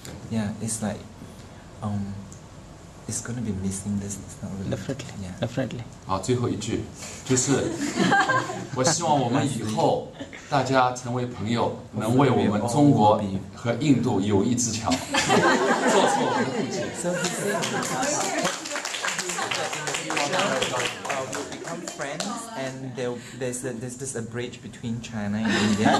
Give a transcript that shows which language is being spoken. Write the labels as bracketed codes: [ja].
[en] Yeah, it's like, it's gonna be missing this. Definitely, definitely. [zh] 好，最后一句，就是我希望我们以后大家成为朋友，能为我们中国和印度友谊之桥做出我们的贡献。 [en] Become friends, and there's this a bridge between China and India.